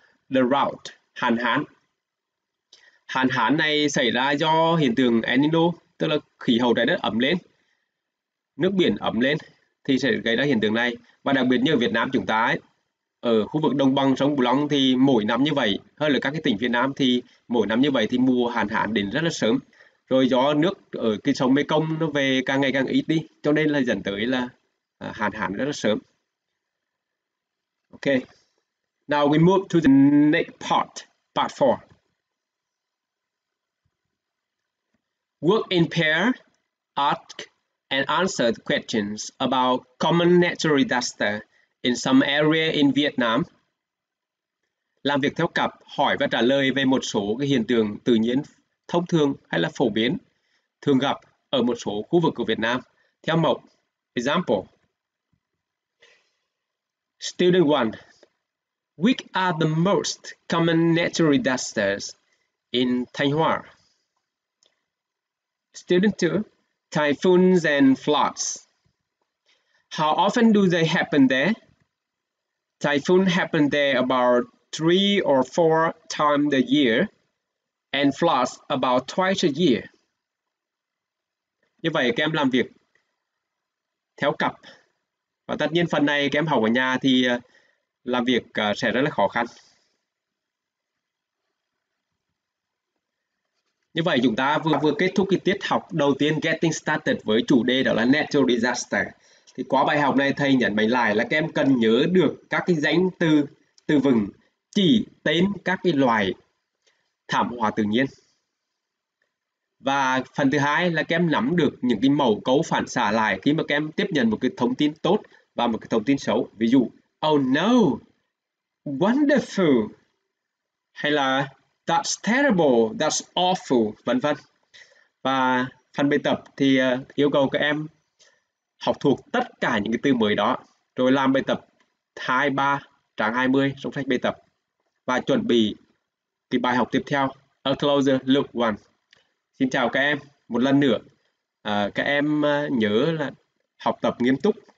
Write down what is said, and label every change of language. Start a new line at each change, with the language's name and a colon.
Vietnamese: Drought, hạn hán này xảy ra do hiện tượng El Nino, tức là khí hậu trái đất ấm lên, nước biển ấm lên thì sẽ gây ra hiện tượng này, và đặc biệt như ở Việt Nam chúng ta ấy, ở khu vực đồng bằng sông Cửu Long thì mỗi năm như vậy, hơn là các cái tỉnh phía Nam thì mỗi năm như vậy thì mùa hạn hán đến rất là sớm, rồi gió nước ở cái sông Mekong nó về càng ngày càng ít đi, cho nên là dẫn tới là hạn hán rất là sớm.
English: Ok, now we move to the next part, part 4. Work in pair, ask and answer the questions about common natural disaster in some area in Vietnam.
Vietnamese: Làm việc theo cặp, hỏi và trả lời về một số cái hiện tượng tự nhiên thông thường hay là phổ biến thường gặp ở một số khu vực của Việt Nam. Theo mẫu, example.
English: Student 1. Which are the most common natural disasters in Thanh Hóa? Student 2. Typhoons and floods. How often do they happen there? Typhoon happened there about 3 or 4 times a year, and floods about twice a year.
Vietnamese: Như vậy các em làm việc theo cặp. Và tất nhiên phần này các em học ở nhà thì làm việc sẽ rất là khó khăn. Như vậy chúng ta vừa kết thúc cái tiết học đầu tiên Getting Started với chủ đề đó là Natural Disaster. Thì qua bài học này thầy nhấn mạnh lại là các em cần nhớ được các cái danh từ, từ vựng chỉ tên các cái loài thảm họa tự nhiên. Và phần thứ hai là các em nắm được những cái mẫu cấu phản xạ lại khi mà các em tiếp nhận một cái thông tin tốt và một cái thông tin xấu. Ví dụ,
English: oh no, wonderful,
Vietnamese: hay là
English: that's terrible, that's awful,
Vietnamese: vân vân. Và phần bài tập thì yêu cầu các em học thuộc tất cả những cái từ mới đó, rồi làm bài tập 2-3 trang 20 trong sách bài tập và chuẩn bị cái bài học tiếp theo, A Closer Look One. Xin chào các em một lần nữa. Các em nhớ là học tập nghiêm túc.